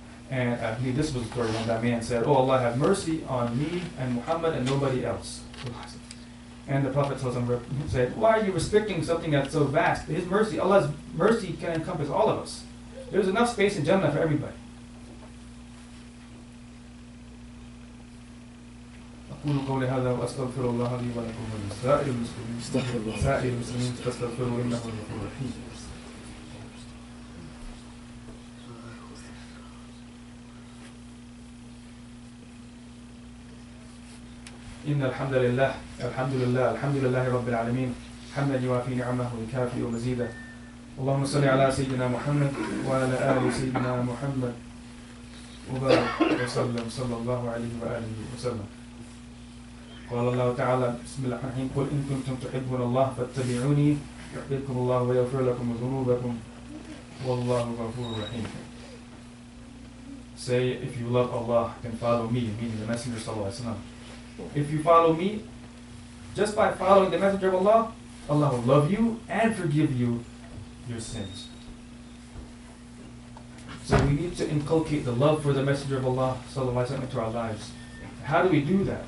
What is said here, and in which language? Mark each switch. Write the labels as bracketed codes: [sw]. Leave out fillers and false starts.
[en] And I believe this was the story when that man said, oh Allah, have mercy on me and Muhammad and nobody else. And the Prophet said, why are you restricting something that's so vast? His mercy, Allah's mercy can encompass all of us. There's enough space in Jannah for everybody. [ar] أقول قولي هذا وأستغفر الله لي ولكم ولسائر المسلمين فاستغفروا إنه الغفور الرحيم. إن الحمد لله الحمد لله الحمد لله رب العالمين حمدا يوافي نعمه ويكافي ومزيده اللهم صل على سيدنا محمد وعلى آل سيدنا محمد وبارك وسلم صلى الله عليه وآله وسلم. قال الله تعالى بسم الله الرحمن الرحيم قل إن كنتم تحبون الله فاتبعوني يحببكم الله ويغفر لكم ذنوبكم والله غفور رحيم. [en] Say, if you love Allah, then follow me, meaning the Messenger [ar] صلى الله عليه وسلم. [en] If you follow me, just by following the Messenger of Allah, Allah will love you and forgive you your sins. So we need to inculcate the love for the Messenger of Allah, sallallahu alayhi wa sallam, into our lives. How do we do that?